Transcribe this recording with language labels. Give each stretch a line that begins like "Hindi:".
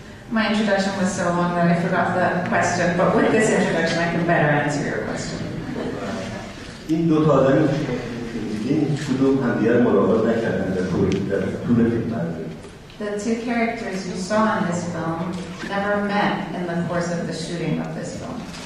English: My introduction was so long that I forgot the question, but with this introduction I can better answer your question.
Persian: این دو تا آدمی که دیدین هم دیگر ملاقات نکردن در طول فیلم برداری.
English: The two characters you saw in this film never met in the course of the shooting of this film.